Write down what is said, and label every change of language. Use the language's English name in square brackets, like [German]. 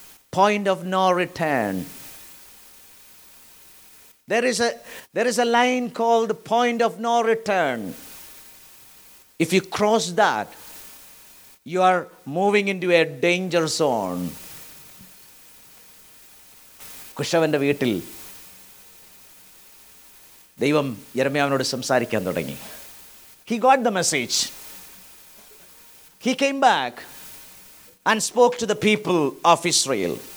[English] Point of no return. There is a line called the point of no return. If you cross that, you are moving into a danger zone. [Malayalam] കുശവന്റെ വീട്ടിൽ ദൈവം യിർമ്യാവിനോട് സംസാരിക്കാൻ തുടങ്ങി. [English] He got the message. He came back and spoke to the people of Israel.